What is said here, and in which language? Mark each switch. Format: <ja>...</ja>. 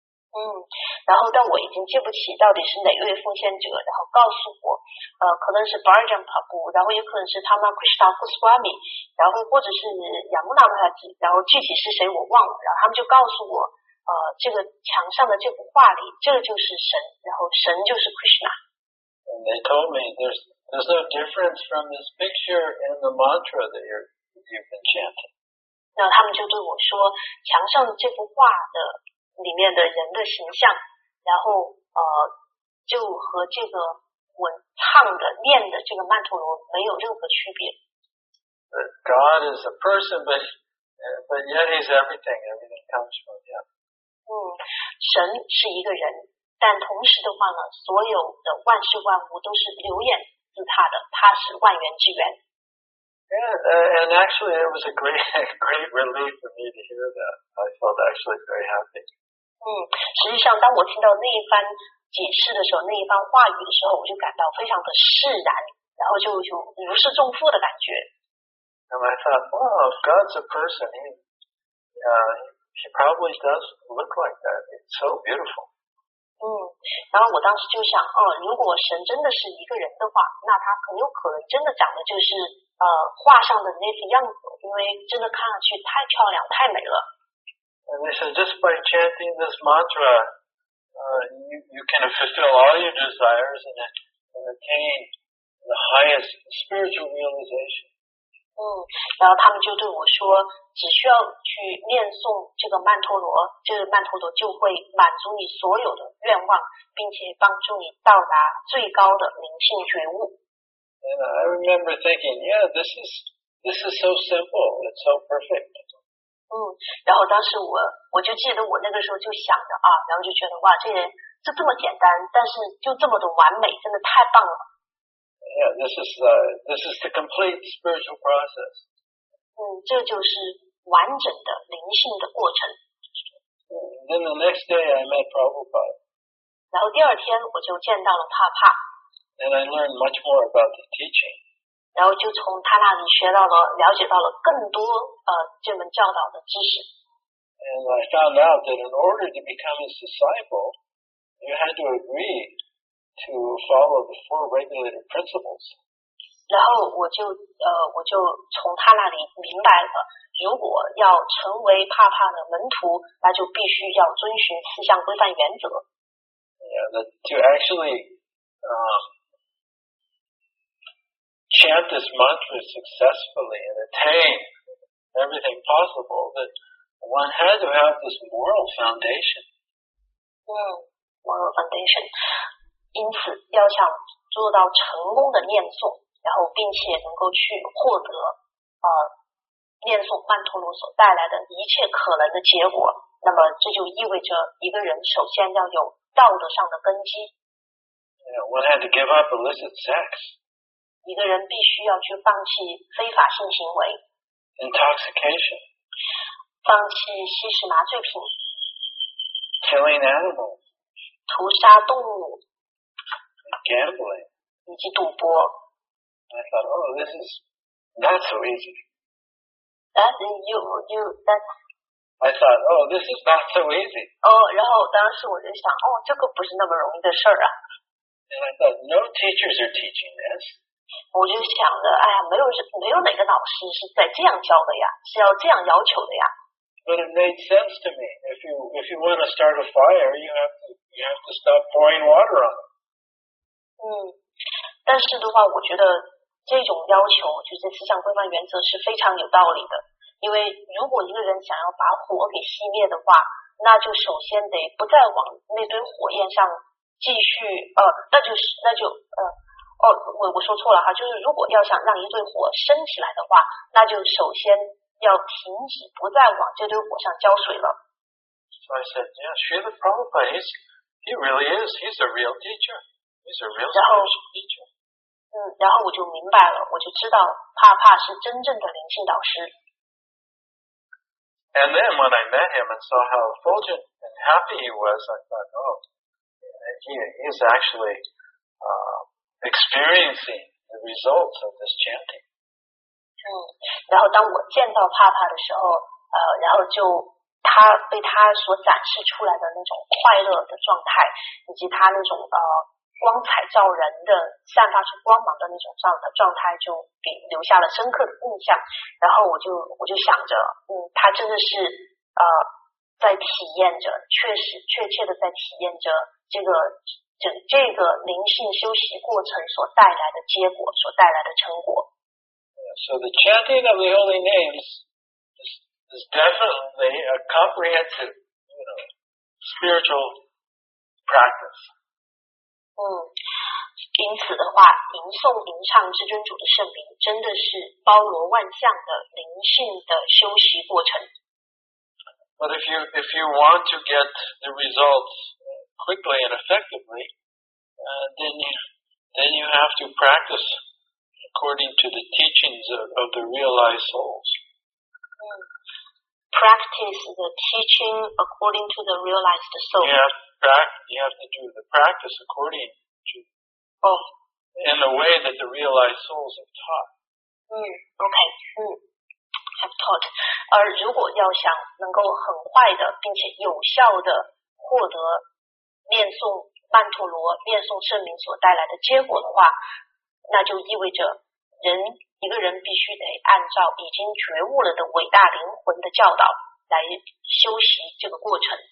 <zh>然后但我已经记不起到底是哪位奉献者然后告诉我可能是 Bharajan Prabhu 然后也可能是 Tama Krishna Goswami 然后或者是 Yamuna Mahaji 然后具体是谁我忘了然后他们就告诉我这个墙上的这幅画里这个、就是神然后神就是 Krishna</zh> <en>And they told me there's no difference from this picture and the mantra that you've been chanting</en> <zh>然后他们就对我说墙上的这幅画的里面的人的形象然后就和这个我唱的念的这个曼陀罗没有任何区别</zh> <en>God is a person but yet he's everything comes from him</en> <zh>神是一个人但同时的话呢所有的万事万物都是流言自他的他是万源之源</zh> <en>and actually it was a great relief for me to hear that I felt actually very happy</en> <zh>实际上当我听到那一番解释的时候那一番话语的时候我就感到非常的释然然后就如释重负的感觉</zh> <en>And I thought, oh, God's a person he probably does look like that It's so beautiful</en> <zh>然后我当时就想如果神真的是一个人的话那他很有可能真的长得就是画上的那副样子因为真的看上去太漂亮太美了</zh> <en>And they said, just by chanting this mantra, you can fulfill all your desires and attain the highest spiritual realization.</en> <zh>然后他们就对我说，只需要去念诵这个曼陀罗，这个曼陀罗就会满足你所有的愿望，并且帮助你到达最高的灵性觉悟。</zh> <en>And I remember thinking, yeah, this is so simple, it's so perfect.</en> <zh>然后当时我就记得我那个时候就想着啊，然后就觉得哇，这么简单，但是就这么的完美，真的太棒了。</zh> <en>Yeah, this is the complete spiritual process.</en> <zh>这就是完整的灵性的过程。</zh> <en>Then the next day I met Prabhupada.</en> <zh>然后第二天我就见到了帕帕。</zh> <en>And I learned much more about the teaching.</en> <zh>然后就从他那里学到了了解到了更多这门教导的知识</zh> <en>And I found out that in order to become his disciple you had to agree to follow the four regulative principles</en> <zh>然后我就从他那里明白了如果要成为帕帕的门徒那就必须要遵循四项规范原则</zh> <en>Yeah, to actually chant this mantra successfully and attain everything possible that one had to have this moral foundation. Moral foundation.</en> <zh>因此要想做到成功的念诵然后并且能够去获得念诵曼陀罗所带来的一切可能的结果那么这就意味着一个人首先要有道德上的根基。</zh> <en>Yeah, one had to give up illicit sex.</en> <zh>一个人必须要去放弃非法性行为</zh> <en>intoxication</en> <zh>放弃吸食麻醉品</zh> <en>killing animals</en> <zh>屠杀动物</zh> <en>gambling</en> <zh>以及赌博</zh> <en>I thought, oh, this is not so easy that, you, that I thought, oh, this is not so easy</en> <zh>然后当时我就想这个不是那么容易的事啊</zh> <en>and I thought, no teachers are teaching this</en> <zh>我就想着没有哪个老师是在这样教的呀是要这样要求的呀</zh> <en>But it made sense to me. If you want to start a fire, you have to stop pouring water on it.</en> <zh>但是的话，我觉得这种要求就是思想规范原则是非常有道理的。因为如果一个人想要把火给熄灭的话，那就首先得不再往那堆火焰上继续那就是就是如果要想让一堆火升起来的话，那就首先要停止不再往这堆火上浇水了。</zh> <en>So I said, yeah, Srila Prabhupada, he really is, he's a real teacher. He's a real spiritual teacher.</en> <zh>然后我就明白了，我就知道帕帕是真正的灵性导师。</zh> <en>And then when I met him and saw how effulgent and happy he was, I thought, oh, he's actually experiencing the results of this chanting.</en> <zh>然后当我见到帕帕的时候，然后就他被他所展示出来的那种快乐的状态，以及他那种光彩照人的散发出光芒的那种状态就给留下了深刻的印象。然后我就想着，他真的是在体验着，确实确切的在体验着这个灵性修习过程所带来的结果，所带来的成果。</zh> <en>So the chanting of the holy names is definitely a comprehensive, spiritual practice.</en> <zh>因此的话，吟诵吟唱至尊主的圣名，真的是包罗万象的灵性的修习过程。</zh> <en>But if you want to get the results quickly and effectively, then you have to practice according to the teachings of the realized souls. Practice the teaching according to the realized soul. You have to do the practice according to in the way that the realized souls have taught. Have taught.</en> <zh>而如果要想能够很快的并且有效的获得念诵曼陀罗念诵圣名所带来的结果的话，那就意味着一个人必须得按照已经觉悟了的伟大灵魂的教导来修习这个过程。</zh>